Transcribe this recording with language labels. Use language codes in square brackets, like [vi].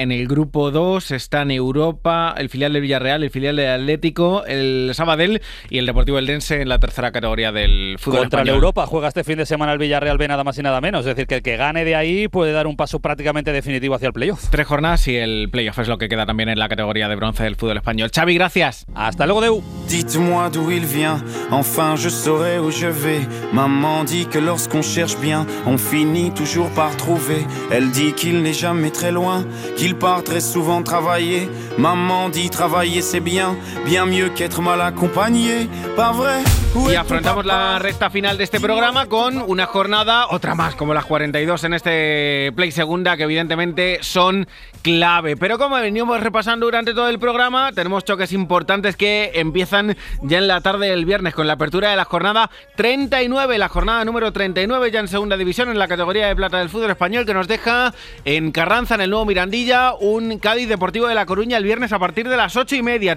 [es] En el grupo 2 están Europa, el filial del Villarreal, el filial del Atlético, el Sabadell y el Deportivo Eldense en la tercera categoría del fútbol contra español. El Europa juega este fin de semana el Villarreal B, nada más y nada menos, es decir, que el que gane de ahí puede dar un paso prácticamente definitivo hacia el playoff. Tres jornadas y el playoff es lo que queda también en la categoría de bronce del fútbol español. Xavi, gracias. Hasta luego, Deu. [fr] Dites-moi d'où il vient, enfin je saurai où je vais. Maman dit que lorsqu'on cherche bien, on finit toujours par trouver. Elle dit qu'il n'est jamais très loin, qu'il part très souvent travailler. Maman dit travailler c'est bien, bien mieux qu'être mal accompagné. Pas vrai? [es] Y afrontamos la recta final de este programa con una jornada, otra más, como las 42 en este Play Segunda, que evidentemente son clave. Pero como venimos repasando durante todo el programa, tenemos choques importantes que empiezan ya en la tarde del viernes con la apertura de la jornada 39, la jornada número 39 ya en Segunda División, en la categoría de plata del fútbol español, que nos deja en Carranza, en el nuevo Mirandilla, un Cádiz Deportivo de La Coruña el viernes a partir de las 8:30.